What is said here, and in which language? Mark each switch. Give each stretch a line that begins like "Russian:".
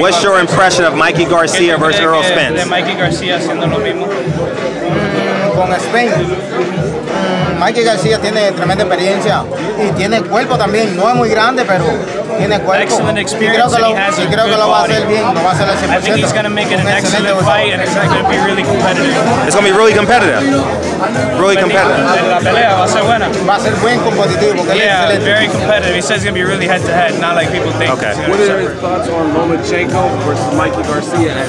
English: What's your impression of Mikey Garcia versus Earl Spence?
Spanish: De Mikey Garcia haciendo lo mismo. Con Spence. Mikey Garcia tiene tremenda experiencia y tiene cuerpo también. No es muy grande, pero tiene cuerpo.
English: Excellent experience.
Spanish: Y creo que lo va a hacer bien. Lo va a hacer al 100%.
English: I think he's going to make it an excellent fight and it's going to be really competitive. It's going to be really competitive. Really competitive.
Spanish: La pelea va a ser buena. Va a ser buen competitivo.
English: Yeah, very competitive. He says it's going to be really head-to-head, not like people think. Okay. What are your thoughts on Lomachenko versus Mikey Garcia?